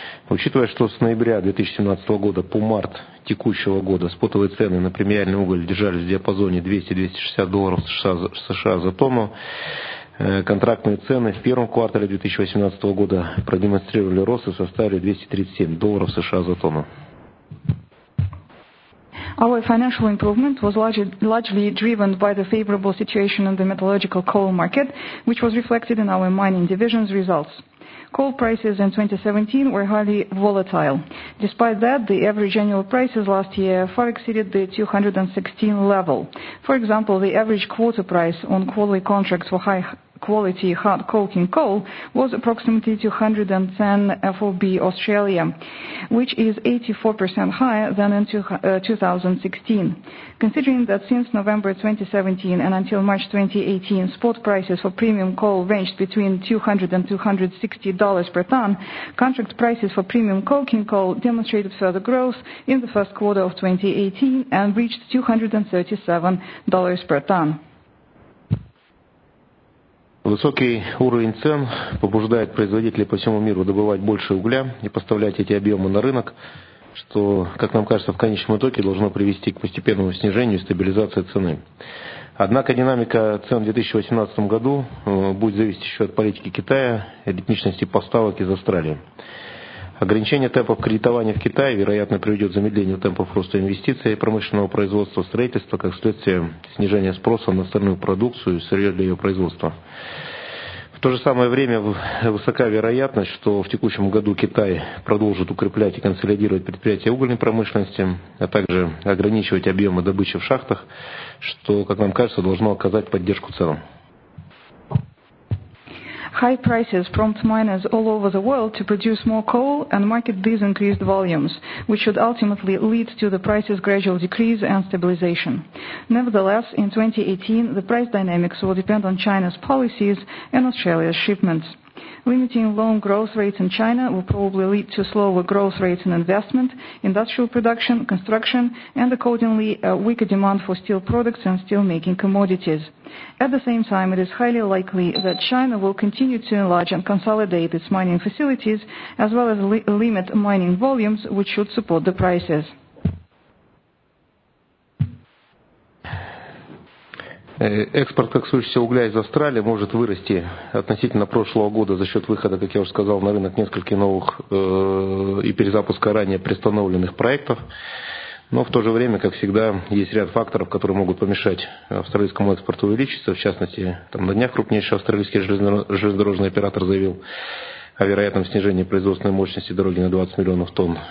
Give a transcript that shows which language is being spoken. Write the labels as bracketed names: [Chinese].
[Russian] Учитывая, что с ноября 2017 года по март текущего года спотовые цены на премиальный уголь держались в диапазоне $200-$260 США за тонну, контрактные цены в первом квартале 2018 года продемонстрировали рост и составили $237 США за тонну. [English] Our financial improvement was largely driven by the favorable situation in the metallurgical coal market, which was reflected in our mining division's results. Coal prices in 2017 were highly volatile. Despite that, the average annual prices last year far exceeded the 216 level. For example, the average quarter price on quarterly contracts for high quality hard coking coal was approximately 210 FOB Australia, which is 84% higher than in 2016. Considering that since November 2017 and until March 2018, spot prices for premium coal ranged between $200 and $260 per ton, contract prices for premium coking coal demonstrated further growth in the first quarter of 2018 and reached $237 per ton. [Russian] Высокий уровень цен побуждает производителей по всему миру добывать больше угля и поставлять эти объемы на рынок, что, как нам кажется, в конечном итоге должно привести к постепенному снижению и стабилизации цены. Однако динамика цен в 2018 году будет зависеть еще от политики Китая и ритмичности поставок из Австралии. Ограничение темпов кредитования в Китае, вероятно, приведет к замедлению темпов роста инвестиций промышленного производства, строительства, как следствие снижения спроса на остальную продукцию и сырье для ее производства. В то же самое время высока вероятность, что в текущем году Китай продолжит укреплять и консолидировать предприятия угольной промышленности, а также ограничивать объемы добычи в шахтах, что, как нам кажется, должно оказать поддержку ценам. [English] High prices prompt miners all over the world to produce more coal and market these increased volumes, which should ultimately lead to the price's gradual decrease and stabilization. Nevertheless, in 2018, the price dynamics will depend on China's policies and Australia's shipments. Limiting loan growth rates in China will probably lead to slower growth rates in investment, industrial production, construction, and accordingly, a weaker demand for steel products and steelmaking commodities. At the same time, it is highly likely that China will continue to enlarge and consolidate its mining facilities, as well as limit mining volumes, which should support the prices. [Russian] Экспорт коксующегося угля из Австралии может вырасти относительно прошлого года за счет выхода, как я уже сказал, на рынок нескольких новых и перезапуска ранее приостановленных проектов. Но в то же время, как всегда, есть ряд факторов, которые могут помешать австралийскому экспорту увеличиться. В частности, там на днях крупнейший австралийский железнодорожный оператор заявил о вероятном снижении производственной мощности дороги на 20 миллионов тонн.